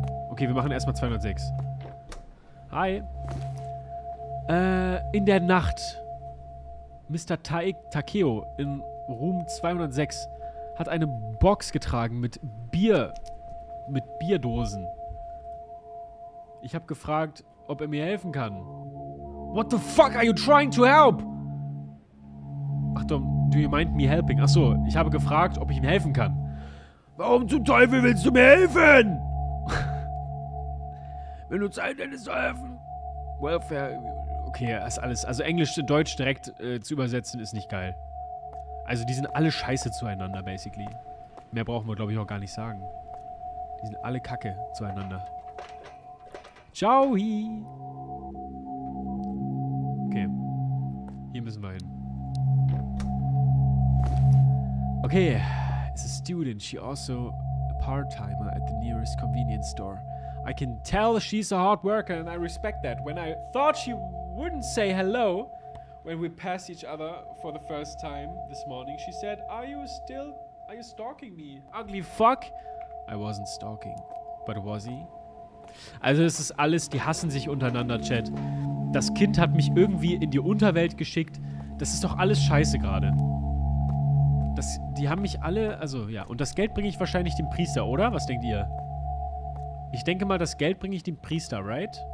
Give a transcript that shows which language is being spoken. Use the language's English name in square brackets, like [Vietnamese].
[German] Okay, wir machen erstmal 206. Hi. In der Nacht Mr. Takeo in Room 206 hat eine Box getragen mit Bier. Mit Bierdosen. Ich habe gefragt, ob er mir helfen kann. [English] What the fuck are you trying to help? Achtung, do you mind me helping? [German] Achso, ich habe gefragt, ob ich ihm helfen kann. Warum zum Teufel willst du mir helfen? Wenn du Zeit hättest zu helfen. Welfare. Okay, das ist alles. Also Englisch zu Deutsch direkt zu übersetzen ist nicht geil. Also die sind alle scheiße zueinander, basically. Mehr brauchen wir, glaube ich, auch gar nicht sagen. Die sind alle kacke zueinander. Ciao. Okay. Hier müssen wir hin. Okay. It's a student. [English] She also a part-timer at the nearest convenience store. I can tell she's a hard worker and I respect that. When I thought she wouldn't say hello when we passed each other for the first time this morning, she said, are you stalking me? Ugly fuck. I wasn't stalking. But was he? [German] Also es ist alles, die hassen sich untereinander, Chat. Das Kind hat mich irgendwie in die Unterwelt geschickt. Das ist doch alles scheiße gerade. Die haben mich alle, also ja. Und das Geld bringe ich wahrscheinlich dem Priester, oder? Was denkt ihr? Ich denke mal, das Geld bringe ich dem Priester, right?